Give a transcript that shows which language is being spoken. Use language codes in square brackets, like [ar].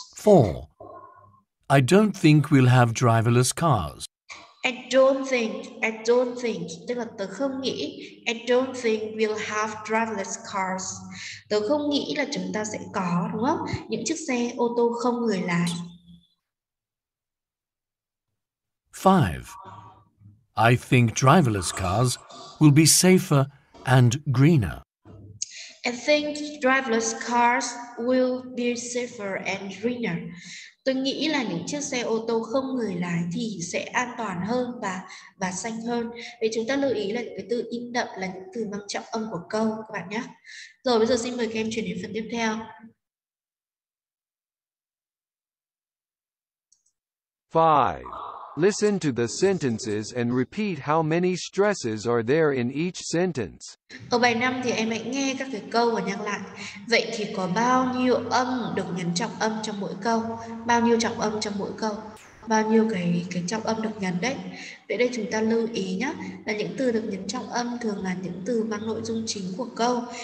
[en] 4. I don't think we'll have driverless cars. I don't think, [vi] tức là tôi không nghĩ. [en] I don't think we'll have driverless cars. [vi] Tôi không nghĩ là chúng ta sẽ có, đúng không? Những chiếc xe ô tô không người lái. 5. [en] I think driverless cars will be safer and greener. I think driverless cars will be safer and greener. [vi] Tôi nghĩ là những chiếc xe ô tô không người lái thì sẽ an toàn hơn và xanh hơn. Vậy chúng ta lưu ý là những cái từ in đậm là những từ mang trọng âm của câu các bạn nhé. Rồi bây giờ xin mời các em chuyển đến phần tiếp theo. 5. [en] Listen to the sentences and repeat how many stresses are there in each sentence. [vi] Ở bài 5 thì em hãy nghe các cái câu và nhắc lại. Vậy thì có bao nhiêu âm được nhấn trọng âm trong mỗi câu? Bao nhiêu trọng âm trong mỗi câu? Bao nhiêu cái trọng âm được nhấn đấy? Vậy đây chúng ta lưu ý nhé, là những từ được nhấn trọng âm thường là những từ mang nội dung chính của câu.